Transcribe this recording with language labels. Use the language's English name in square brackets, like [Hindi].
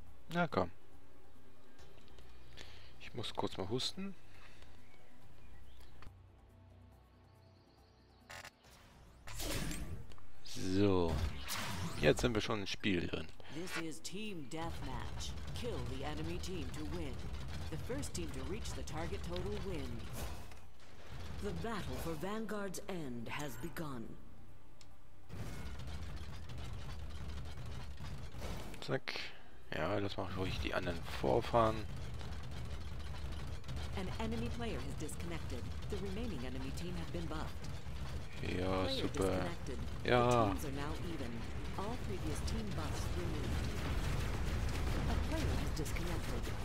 [German] Na komm. Ich muss kurz mal husten. So. Jetzt sind wir schon im Spiel drin. [English] This is Team Deathmatch. Kill the enemy team to win. The first team to reach the target total wins. The battle for Vanguard's end has begun. [German] Zack. Ja, lass mal ruhig die anderen vorfahren. [English] An enemy player has disconnected. The remaining enemy team have been buffed. [German] Ja, super. Ja. [English] The teams are now even. All previous team buffs removed. A player has disconnected.